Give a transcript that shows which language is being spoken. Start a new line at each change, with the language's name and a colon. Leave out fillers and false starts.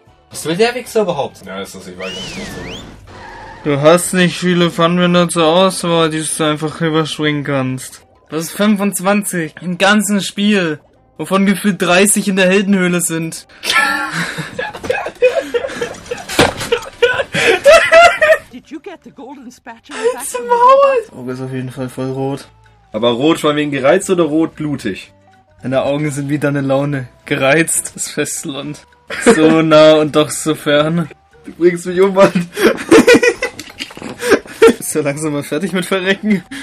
German: Was will der Wichser überhaupt? Ja, ist das, ich weiß nicht. Du hast nicht viele Funwender zur Auswahl, die du einfach überspringen kannst. Das ist 25 im ganzen Spiel, wovon gefühlt 30 in der Heldenhöhle sind.
English: Did you get the golden spatula back from the Maul?
German: Das Auge ist auf jeden Fall voll rot. Aber rot von wegen gereizt oder rot blutig? Deine Augen sind wie deine Laune. Gereizt, das Festland. So nah und doch so fern. Du bringst mich um, Mann. Bist du ja langsam mal fertig mit Verrecken?